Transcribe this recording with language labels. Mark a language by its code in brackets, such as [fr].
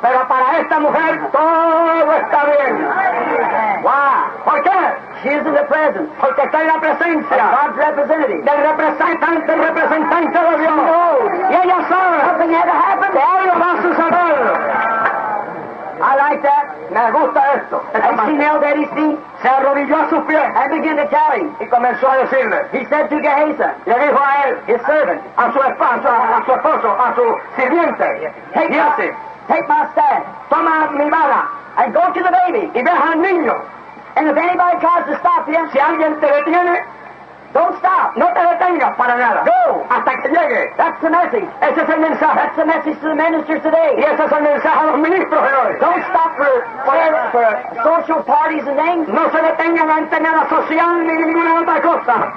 [es] Pero para esta mujer todo está bien. [en] Why? [es] ¿Por qué? [en] She is in the presence. [es] Porque está en la presencia. [en] Of God's representative. [es] Del representante, representante de Dios. [en] No. [es] Y ella sabe. [en] Something had to happen. [es] Que algo va a suceder. [en] I like that. [es] Me gusta esto. [en] And she knelt at his feet. [es] Se arrodilló a sus pies. [en] And began to tell him. [es] Y comenzó a decirle. [en] He said to Gehazi. [es] Le dijo a él. [en] His servant. [es] A su esposo, a su sirviente. [en] Take my staff. [es] Toma mi vara. [en] And go to the baby. [es] Y ve al niño. [en] And if anybody tries to stop you. [es] Si alguien te detiene. [en] Don't stop. [es] No te detengas para nada. [en] Go. [es] Hasta que llegue. [en] That's the message. [es] Ese es el mensaje. [en] That's the message to the ministers today. [es] Y ese es el mensaje a los ministros de hoy. [en] Don't stop for social parties and names. [es] No se detengan ante nada social ni ninguna otra cosa.